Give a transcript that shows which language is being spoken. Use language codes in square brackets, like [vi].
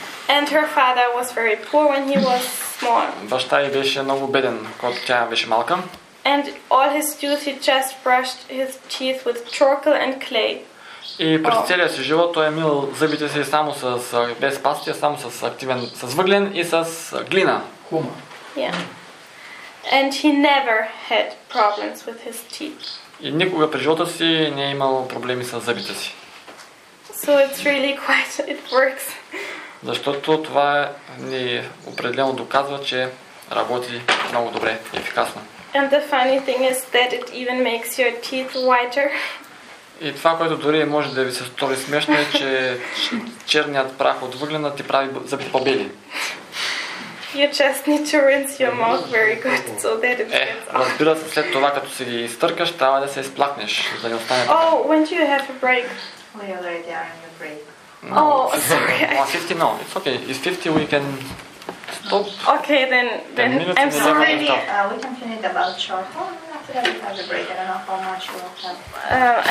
[en] And her father was very poor when he was small. [bg] Баща ѝ беше много беден, когато тя беше малка. [en] And all his youth he just brushed his teeth with charcoal and clay. [bg] И през целия си живот той е мил зъбите си само с без пастия, само с активен с въглен и с глина. Хума. [en] Yeah. And he never had problems with his teeth. [bg] И никога през живота си не е имал проблеми с зъбите си. [en] So it's really quite it works. [bg] Защото това ни определено доказва, че работи много добре, ефикасно. [en] And the funny thing is that it even makes your teeth whiter. [bg] И това, което дори може да ви се стори смешно, е, че черният прах от въглена ти прави зъбите по-бели. [en] You just need to rinse your mouth very good so that it gets off. [bg] Разбира се, след това, като си ги изтъркаш, трябва да се изплакнеш, за да не остане. [en] Oh, when do you have a break? We already are in the break. No, oh, sorry. Well, 50, no, it's okay. It's 50, we can stop. Okay, then I'm sorry. We can finish about charcoal. We have to have a break. I don't know how much you will have.